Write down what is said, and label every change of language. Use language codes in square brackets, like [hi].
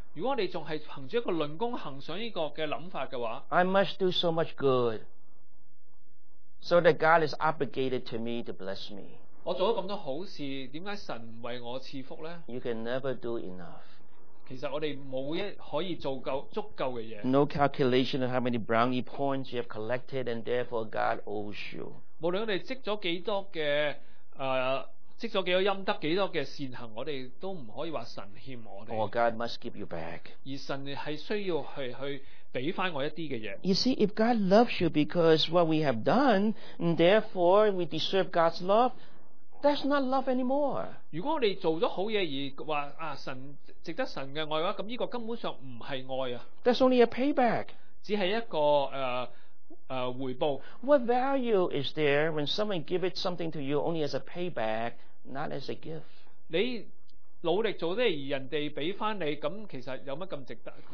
[zh] 如果我们还是凭着一个论功行赏这个的想法的话 [en] I must do so much good. So that God is obligated to me to bless me. [zh] 我做了这么多好事为什么神不为我赐福呢 [en] You can never do enough. [zh] 其实我们没有可以做够足够的事。 [en] No calculation of how many brownie points you have collected and therefore God owes you. [zh] 无论我们积了多少积了多少阴德多少的善行我们都不可以说神欠我们。 [en] Or God must give you back. [zh] 而神是需要去给回我一些的东 [en] 西。You see, if God loves you because what we have done, and therefore we deserve God's love, that's not love anymore. [zh] 如果我们做了好事而说神值得神的爱的话，那这个根本上不是爱。 [en] That's only a payback. [zh] 只是一个回报。 [en] What value is there when someone gives something to you only as a payback, not as a gift? [zh] 你努力做的事而人家给你，那其实有什么值得？